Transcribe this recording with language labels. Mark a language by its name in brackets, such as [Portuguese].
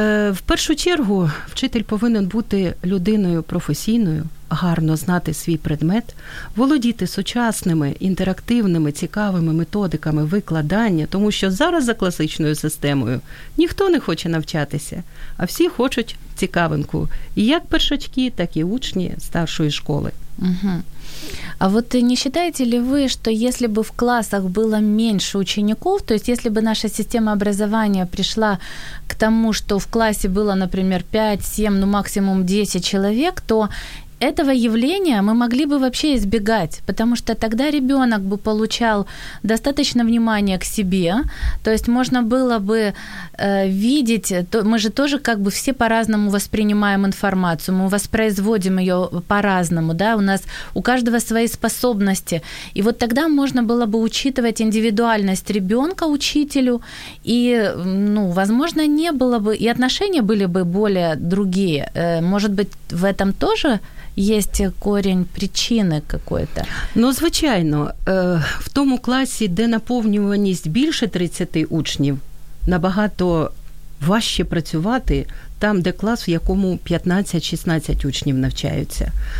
[Ukrainian] В першу чергу, вчитель повинен бути людиною професійною, гарно знати свій предмет, володіти сучасними, інтерактивними, цікавими методиками викладання, тому що зараз за класичною системою ніхто не хоче навчатися, а всі хочуть цікавинку, і як першачки, так і учні старшої школи. Угу. [Russian] А вот не считаете ли вы, что если бы в классах было меньше учеников, то есть если бы наша система образования пришла к тому, что в классе было, например, 5-7, ну максимум 10 человек, то этого явления мы могли бы вообще избегать, потому что тогда ребенок бы получал достаточно внимания к себе, то есть можно было бы видеть, то мы же тоже как бы все по-разному воспринимаем информацию, мы воспроизводим ее по-разному, да, у нас у каждого свои способности, и вот тогда можно было бы учитывать индивидуальность ребенка учителю, и, ну, возможно, не было бы, и отношения были бы более другие, может быть, в этом тоже есть корень причины какой-то. [Ukrainian] Ну, звичайно, в тому класі, де наповнюваність більше 30 учнів, набагато важче працювати там, де клас, в якому 15-16 учнів навчаються.